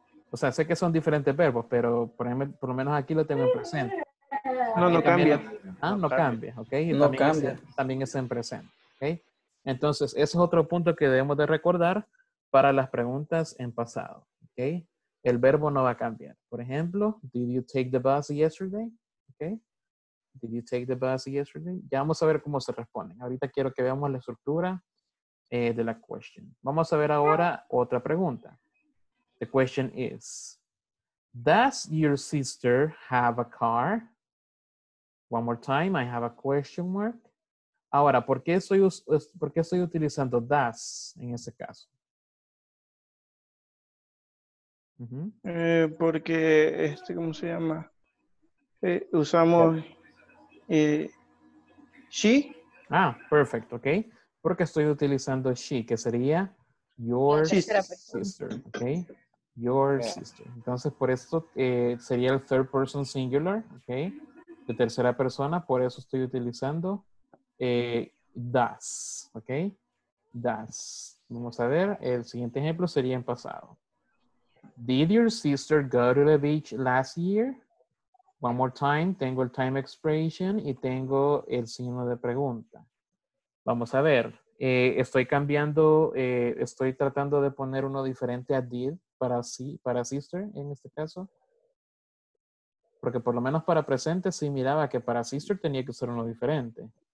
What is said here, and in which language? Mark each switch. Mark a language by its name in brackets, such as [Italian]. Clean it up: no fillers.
[Spanish] O sea, sé que son diferentes verbos, pero por lo menos aquí lo tengo en presente. No cambia. También es en presente. ¿Okay? Entonces, ese es otro punto que debemos de recordar para las preguntas en pasado. ¿Okay? El verbo no va a cambiar. Por ejemplo, [English] did you take the bus yesterday? ¿Okay? Did you take the bus yesterday? [Spanish] Ya vamos a ver cómo se responden. Ahorita quiero que veamos la estructura de la question. Vamos a ver ahora otra pregunta. [English] The question is, does your sister have a car? One more time, I have a question mark. [Spanish] Ahora, ¿por qué estoy utilizando does en este caso? Porque, ¿cómo se llama? Usamos she. [English] Ah, perfect, ok. [Spanish] Porque estoy utilizando she, que sería your sister, ok. Your sister. Entonces, por esto sería el third person singular, ok. De tercera persona, por eso estoy utilizando does, ok. Does. Vamos a ver, el siguiente ejemplo sería en pasado. [English] Did your sister go to the beach last year? One more time, [Spanish] tengo el time expression y tengo el signo de pregunta. Vamos a ver, estoy cambiando, estoy tratando de poner uno diferente a did para sí, para sister en este caso. Porque por lo menos para presente sí miraba que para sister tenía que ser uno diferente.